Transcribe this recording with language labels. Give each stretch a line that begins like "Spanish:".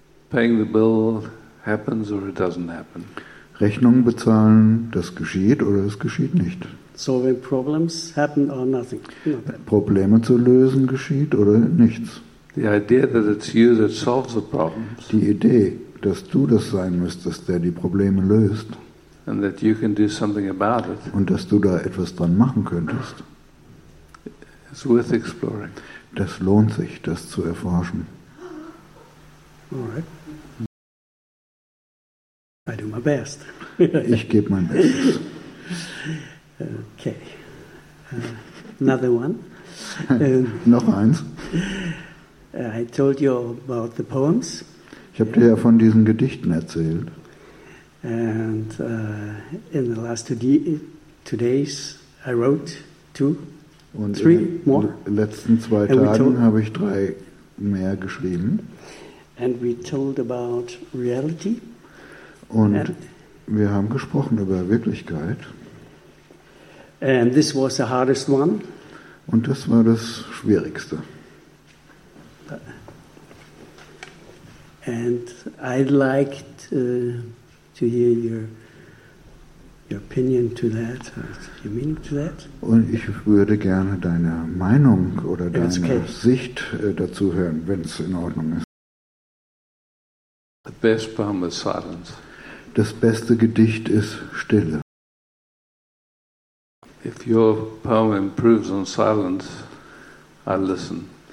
English: Paying the bill happens or it doesn't happen.
German: Rechnung bezahlen, das geschieht oder es geschieht nicht.
English: Solving problems happen or nothing.
German: Probleme zu lösen geschieht oder nichts.
English: The idea that it's you that solves the problems.
German: Die Idee, dass du das sein müsstest, der die Probleme löst.
English: And that you can do something about it.
German: Und dass du da etwas dran machen könntest.
English: It's worth exploring.
German: Das lohnt sich, das zu erforschen.
English: All right. I do my best.
German: Ich gebe mein Bestes.
English: Okay. Another one.
German: Noch eins.
English: I told you about the poems.
German: Ich habe dir ja von diesen Gedichten erzählt.
English: And in the last two days I wrote two,
German: und
English: three more.
German: In den letzten zwei Tagen habe ich drei mehr geschrieben.
English: And we told about reality.
German: Und wir haben gesprochen über Wirklichkeit.
English: And this was the hardest one.
German: Und das war das Schwierigste.
English: And I'd like to hear your your opinion to that, your meaning to that.
German: Und ich würde gerne deine Meinung oder deine Sicht dazu hören, wenn es in Ordnung ist.
English: The best poem is silence.
German: Das beste Gedicht ist Stille.
English: If your poem improves on silence, I listen.